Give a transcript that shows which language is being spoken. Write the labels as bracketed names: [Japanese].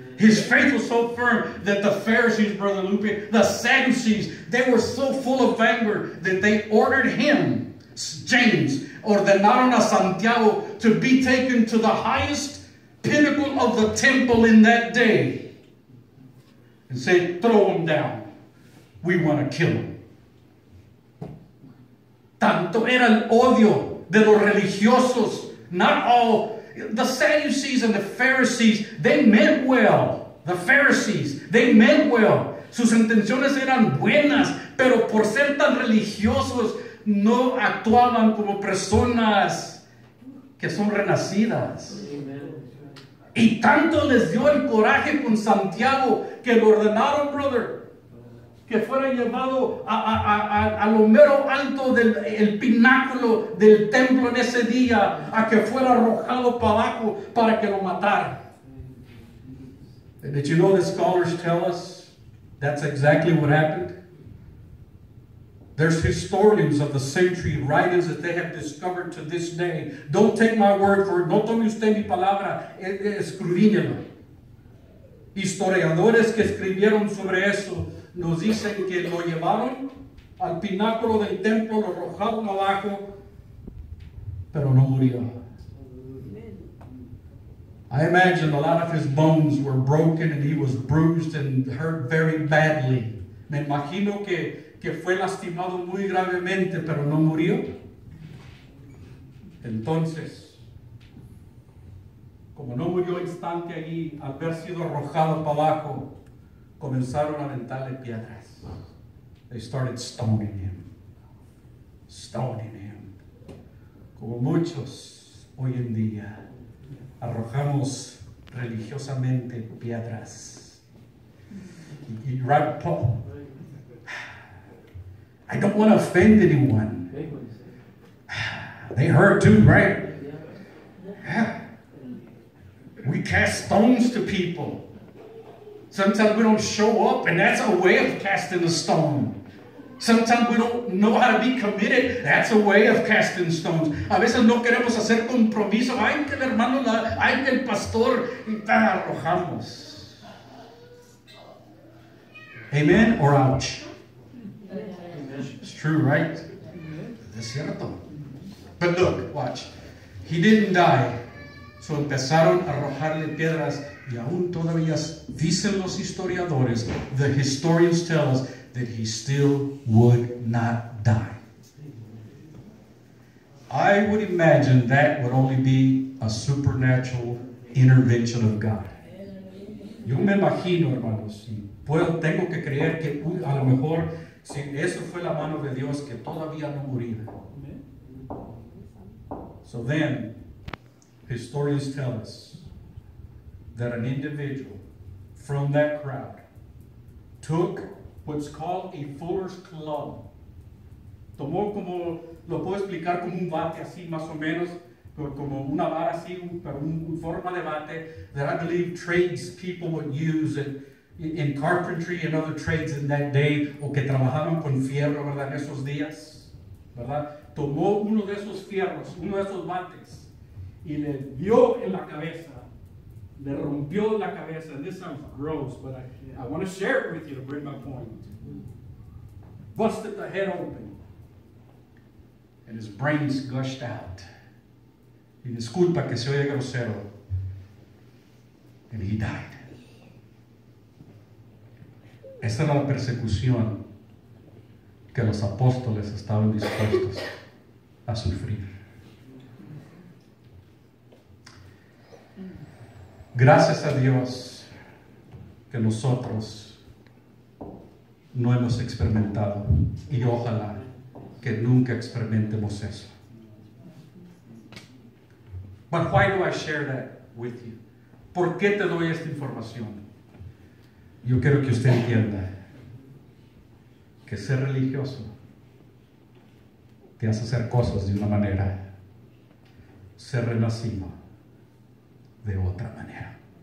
[English] His faith was so firm that the Pharisees, Brother Lupe, the Sadducees, they were so full of anger that they ordered him, James, [Spanish] ordenaron a Santiago [English] to be taken to the highest pinnacle of the temple in that day and said, throw him down. We want to kill him. [Spanish] Tanto era el odio de los religiosos, [English] not all. The Sadducees and the Pharisees, they meant well. The Pharisees, they meant well. [Spanish] Sus intenciones eran buenas, pero por ser tan religiosos, no actuaban como personas que son renacidas. [English] Amen. [Spanish] Y tanto les dio el coraje con Santiago que lo ordenaron, brother, que fuera llevado a lo mero alto del el pináculo del templo en ese día, a que fuera arrojado para abajo para que lo mataran. [English] Did you know the scholars tell us that's exactly what happened? There's historians of the century, writings that they have discovered to this day. Don't take my word for it. [Spanish] No tome usted mi palabra. Escudriñelo. Historiadores que escribieron sobre eso nos dicen que lo llevaron al pináculo del templo, lo arrojaron abajo, pero no murió. [English] I imagine a lot of his bones were broken and he was bruised and hurt very badly. [Spanish] Me imagino que fue lastimado muy gravemente, pero no murió. Entonces, como no murió instante allí, al haber sido arrojado para abajo, comenzaron a aventarle piedras. [English] They started stoning him. Stoning him. [Spanish] Como muchos hoy en día. Arrojamos religiosamente piedras. Right, Paul. [English] I don't want to offend anyone. They hurt too, right? Yeah. We cast stones to people. Sometimes we don't show up, and that's a way of casting a stone. Sometimes we don't know how to be committed. That's a way of casting stones. [Spanish] A veces no queremos hacer compromiso. Ay, que el hermano, ay, que el pastor. Y tan arrojamos. [English] Amen or ouch? It's true, right? [Spanish] Es cierto. [English] But look, watch. He didn't die. [Spanish] So empezaron a arrojarle piedras. Y aún todavía dicen los historiadores, [English] the historians tell us, [Spanish] that he still would not die. [English] I would imagine that would only be a supernatural intervention of God. [Spanish] Yo me imagino, hermanos, si puedo, tengo que creer que a lo mejor si eso fue la mano de Dios que todavía no murió. [English] So then, historians tell us, that an individual from that crowd took what's called a fuller's club. [Spanish] Tomó como, lo puedo explicar como un bate así, más o menos, como una vara así, pero un forma de bate [English] that I believe trades people would use in carpentry and other trades in that day, [Spanish] o que trabajaban con fierro, ¿verdad?, en esos días, ¿verdad? Tomó uno de esos fierros, uno de esos bates, y le dio en la cabeza, le rompió la cabeza. [English] And this sounds gross, but I want to share it with you to bring my point. Busted the head open, and his brains gushed out. [Spanish] Y disculpa que se oye grosero. [English] And he died. [Spanish] Esta era la persecución que los apóstoles estaban dispuestos a sufrir. Gracias a Dios que nosotros no hemos experimentado, y ojalá que nunca experimentemos eso. [English] But why do I share that with you? [Spanish] ¿Por qué te doy esta información? Yo quiero que usted entienda que ser religioso te hace hacer cosas de una manera, ser renacido de otra manera.